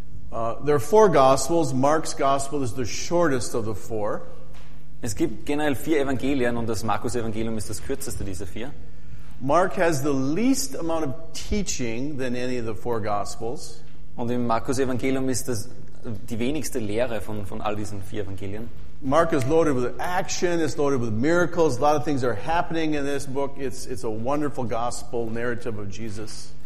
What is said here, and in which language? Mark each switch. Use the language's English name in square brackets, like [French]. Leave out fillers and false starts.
[English] There are four Gospels. Mark's Gospel is the shortest of the four. [German] Es gibt generell vier Evangelien, und das Markus-Evangelium ist das kürzeste dieser vier. [English] Mark has the least amount of teaching than any of the four Gospels. [German] Und im Markus-Evangelium ist das die wenigste Lehre von all diesen vier Evangelien. [English] Mark is loaded with action, it's loaded with miracles, a lot of things are happening in this book. It's a wonderful gospel narrative of Jesus.